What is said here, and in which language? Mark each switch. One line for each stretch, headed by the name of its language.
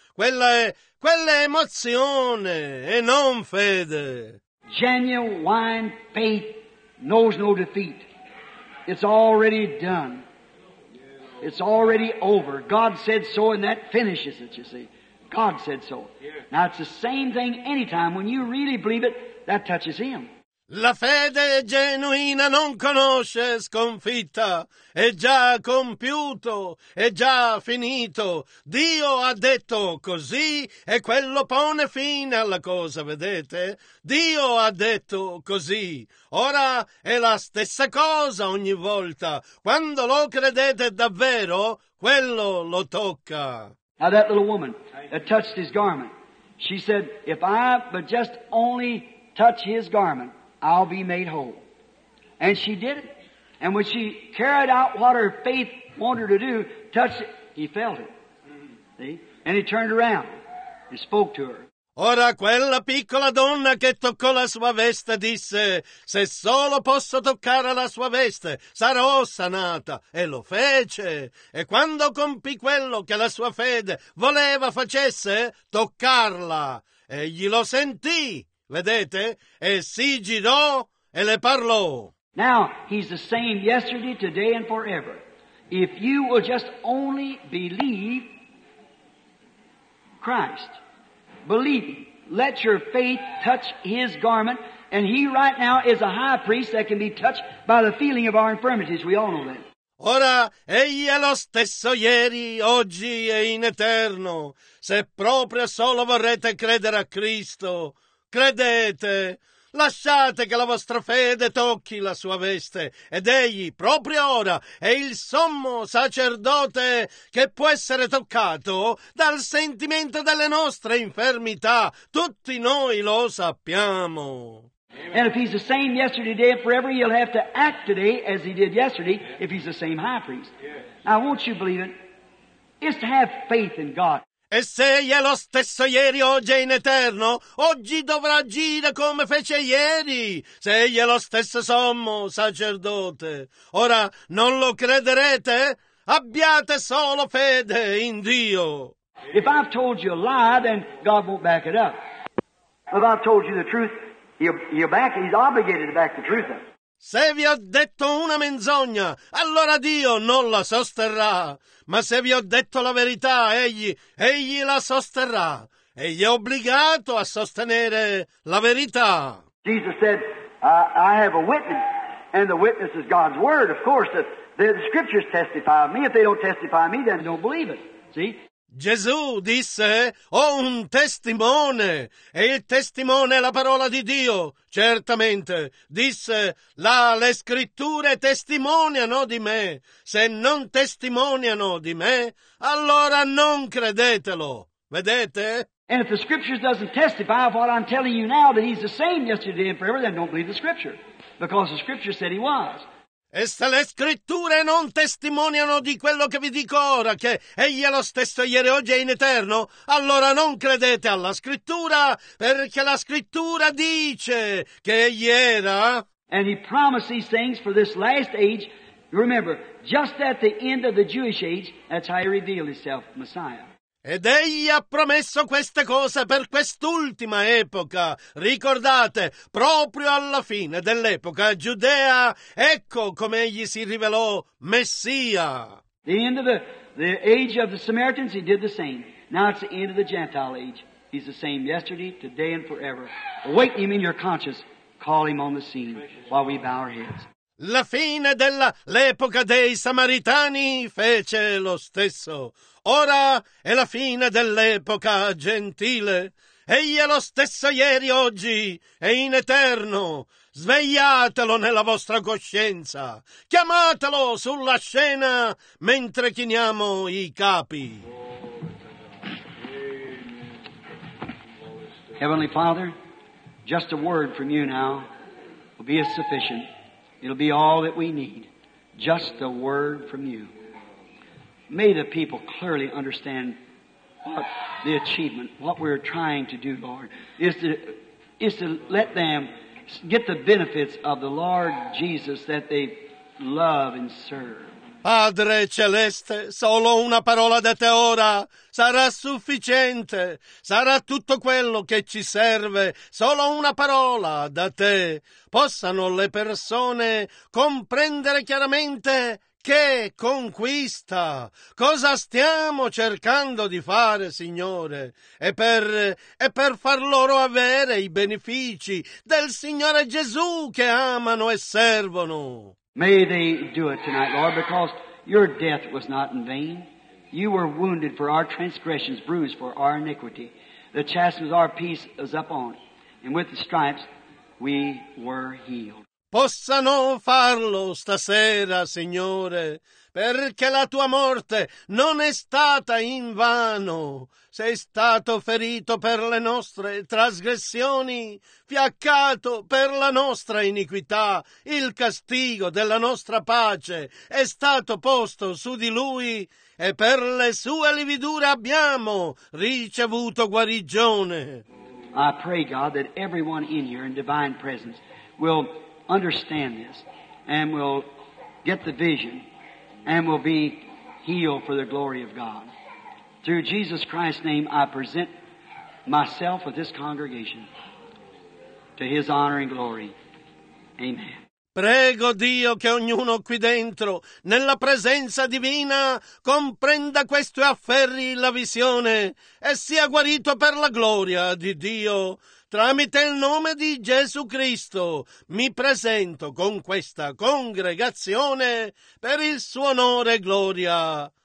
Italian: Quella è emozione e non fede.
English: Genuine faith knows no defeat. It's already done. It's already over. God said so, and that finishes it, you see. God said so. Yeah. Now, it's the same thing anytime. When you really believe it, that touches him.
Italian: La fede genuina non conosce sconfitta. È già compiuto, è già finito. Dio ha detto così, e quello pone fine alla cosa, vedete? Dio ha detto così. Ora è la stessa cosa ogni volta. Quando lo credete davvero, quello lo tocca.
English: Now that little woman that touched his garment, she said, if I but just only touch his garment, I'll be made whole. And she did it. And when she carried out what her faith wanted her to do, touched it, he felt it. See? And he turned around and spoke to her.
Italian: Ora quella piccola donna che toccò la sua veste disse, se solo posso toccare la sua veste, sarò sanata. E lo fece. E quando compì quello che la sua fede voleva facesse, toccarla. Egli lo sentì. Vedete? E si girò e le parlò.
English: Now, he's the same yesterday, today, and forever. If you will just only believe Christ, believe him. Let your faith touch his garment, and he right now is a high priest that can be touched by the feeling of our infirmities. We all know that.
Italian: Ora, egli è lo stesso ieri, oggi e in eterno. Se proprio solo vorrete credere a Cristo, credete. Lasciate che la vostra fede tocchi la sua veste, ed egli, proprio ora, è il sommo sacerdote che può essere toccato dal sentimento delle nostre infermità. Tutti noi lo sappiamo.
English: And if he's the same yesterday, today, and forever, he'll have to act today as he did yesterday if he's the same high priest. Now, won't you believe it? It's to have faith in God.
Italian: E se egli è lo stesso ieri, oggi e in eterno, oggi dovrà agire come fece ieri, se egli è lo stesso sommo sacerdote. Ora, non lo crederete? Abbiate solo fede in Dio.
English: If I've told you a lie, then God won't back it up. If I've told you the truth, he'll back it. He's obligated to back the truth up.
Italian: Se vi ho detto una menzogna, allora Dio non la sosterrà. Ma se vi ho detto la verità, egli la sosterrà. Egli è obbligato a sostenere la verità.
English: Jesus said, I have a witness, and the witness is God's word. Of course, the scriptures testify of me. If they don't testify of me, then don't believe it. See?
Italian: Gesù disse, ho un testimone, e il testimone è la parola di Dio, certamente. Disse, là le scritture testimoniano di me, se non testimoniano di me, allora non credetelo, vedete?
English: And if the scriptures doesn't testify of what I'm telling you now, that he's the same yesterday and forever, then don't believe the scripture, because the scripture said he was.
Italian: E se le scritture non testimoniano di quello che vi dico ora, che egli è lo stesso ieri, oggi e in eterno, allora non credete alla scrittura, perché la scrittura dice che egli era.
English: And he promised these things for this last age. Remember, just at the end of the Jewish age, that's how he revealed himself, Messiah.
Italian: Ed egli ha promesso queste cose per quest'ultima epoca. Ricordate, proprio alla fine dell'epoca giudea, ecco come egli si rivelò Messia.
English: The end of the age of the Samaritans, he did the same. Now it's the end of the Gentile age. He's the same yesterday, today and forever. Awake him in your conscience. Call him on the scene while we bow our heads.
Italian: La fine dell'epoca dei Samaritani fece lo stesso. Ora è la fine dell'epoca gentile. Egli è lo stesso ieri, oggi e in eterno. Svegliatelo nella vostra coscienza. Chiamatelo sulla scena mentre chiniamo i capi.
English: Heavenly Father, just a word from you now will be a sufficient. It'll be all that we need. Just a word from you. May the people clearly understand what the achievement, what we're trying to do, Lord, is to let them get the benefits of the Lord Jesus that they love and serve.
Italian: Padre Celeste, solo una parola da te ora sarà sufficiente, sarà tutto quello che ci serve, solo una parola da te. Possano le persone comprendere chiaramente che conquista, cosa stiamo cercando di fare, Signore, e per far loro avere i benefici del Signore Gesù che amano e servono.
English: May they do it tonight, Lord, because your death was not in vain. You were wounded for our transgressions, bruised for our iniquity. The chastisement of our peace is upon, and with the stripes we were healed.
Italian: Possano farlo stasera, Signore, perché la tua morte non è stata in vano. Sei stato ferito per le nostre trasgressioni, fiaccato per la nostra iniquità. Il castigo della nostra pace è stato posto su di lui e per le sue lividure abbiamo ricevuto guarigione.
English: I pray, God, that everyone in here in divine presence will understand this and will get the vision and will be healed for the glory of God. Through Jesus Christ's name, I present myself with this congregation to his honor and glory. Amen.
Italian: Prego Dio che ognuno qui dentro, nella presenza divina, comprenda questo e afferri la visione e sia guarito per la gloria di Dio. Tramite il nome di Gesù Cristo mi presento con questa congregazione per il suo onore e gloria.